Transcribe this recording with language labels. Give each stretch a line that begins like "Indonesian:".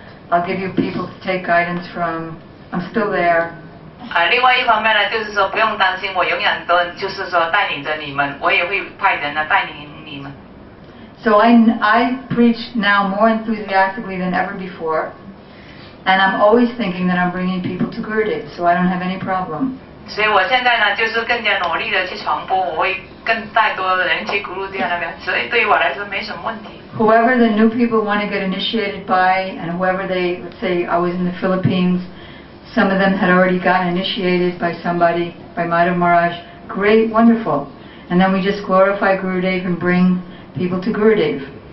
English: I'll give you people to take guidance from. I'm still there.
Chinese: 另外一方面呢，就是说不用担心，我永远都就是说带领着你们，我也会派人呢带领你们。
English: So I preach now more enthusiastically than ever before, and I'm always thinking that I'm bringing people to Gurudev, so I don't have any problem.
Chinese: 所以我现在呢，就是更加努力的去传播，我会更带多的人去Gurudev那边，所以对于我来说没什么问题。
English: Whoever the new people want to get initiated by, and whoever they, let's say I was in the Philippines, some of them had already gotten initiated by somebody, by Madhav Maharaj. Great, wonderful. And then we just glorify Gurudev and bring people to Gurudev.